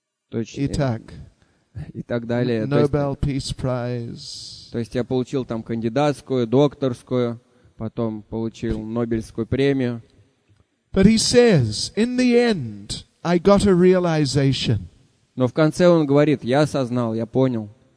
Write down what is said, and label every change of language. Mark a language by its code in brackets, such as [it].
[ru] Точно. Итак. И так далее. [en] Nobel Peace Prize. [ru] То есть я получил там кандидатскую, докторскую, потом получил Нобелевскую премию. [en] But he says, in the end, I got a realization. [ru] Но в конце он говорит, я осознал, я понял.